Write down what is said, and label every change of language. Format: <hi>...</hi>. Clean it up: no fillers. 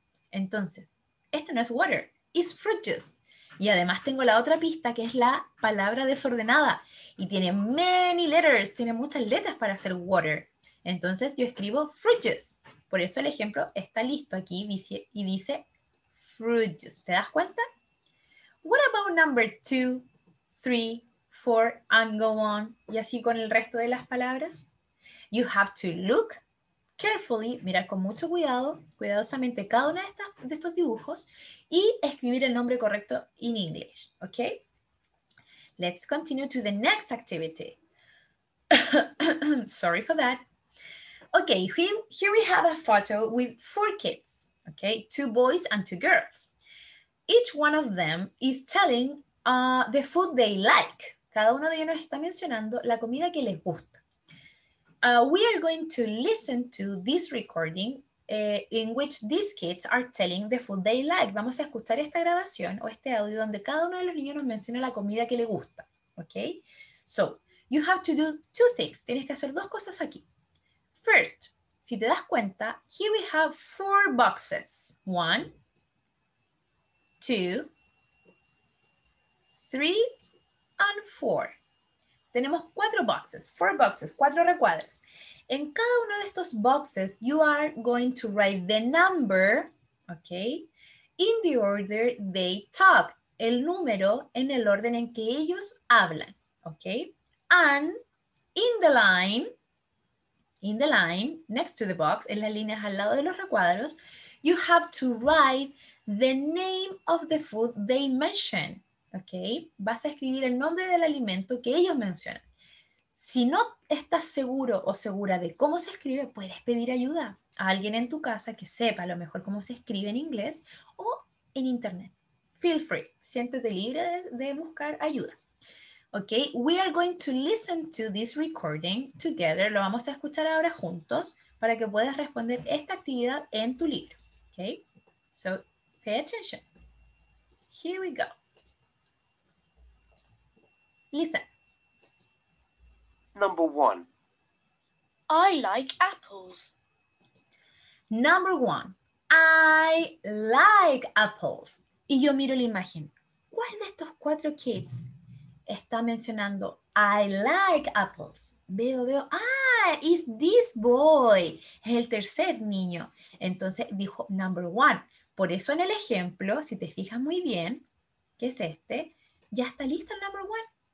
<es>Entonces, esto no es water,</es> <en>it's fruit juice.</en> <es>Y además tengo la otra pista, que es la palabra desordenada. Y tiene</es> <en>many letters,</en> <es>tiene muchas letras para hacer water. Entonces yo escribo fruit juice. Por eso el ejemplo está listo aquí y dice fruit juice. ¿Te das cuenta?</es> <en>What about number two, three, four, and go on?</en> <es>Y así con el resto de las palabras.</es> <en>You have to look carefully,</en> <es>mirar con mucho cuidado, cuidadosamente cada una de estos dibujos y escribir el nombre correcto</es> <en>in English,</en> <es>¿ok?</es> <en>Let's continue to the next activity. Sorry for that. Ok, here we have a photo with four kids, ¿ok? Two boys and two girls. Each one of them is telling the food they like.</en> <es>Cada uno de ellos nos está mencionando la comida que les gusta.</es> <en>We are going to listen to this recording in which these kids are telling the food they like.</en> <es>Vamos a escuchar esta grabación o este audio donde cada uno de los niños nos menciona la comida que le gusta. Okay?</es> <en>So, you have to do two things.</en> <es>Tienes que hacer dos cosas aquí.</es> <en>First,</en> <es>si te das cuenta,</es> <en>here we have four boxes. One, two, three, and four.</en> <es>Tenemos cuatro boxes,</es> <en>four boxes,</en> <es>cuatro recuadros. En cada uno de estos boxes,</es> <en>you are going to write the number, okay, in the order they talk.</en> <es>El número en el orden en que ellos hablan, okay?</es> <en>And in the line, next to the box,</en> <es>en las líneas al lado de los recuadros,</es> <en>you have to write the name of the food they mention. ¿Ok?</en> <es>Vas a escribir el nombre del alimento que ellos mencionan. Si no estás seguro o segura de cómo se escribe, puedes pedir ayuda a alguien en tu casa que sepa a lo mejor cómo se escribe en inglés o en internet.</es> <en>Feel free.</en> <es>Siéntete libre de buscar ayuda. ¿Ok?</es> <en>We are going to listen to this recording together.</en> <es>Lo vamos a escuchar ahora juntos para que puedas responder esta actividad en tu libro.</es> <en>¿Ok? So, pay attention. Here we go. Listen. Number one. I like apples. Number one, I like apples.</en> <es>Y yo miro la imagen. ¿Cuál de estos cuatro kids está mencionando</es> <en>I like apples?</en> <es>Veo. Ah,</es> <en>it's this boy.</en> <es>Es el tercer niño. Entonces dijo number one. Por eso en el ejemplo, si te fijas muy bien, que es este, ya está listo el number one.</es>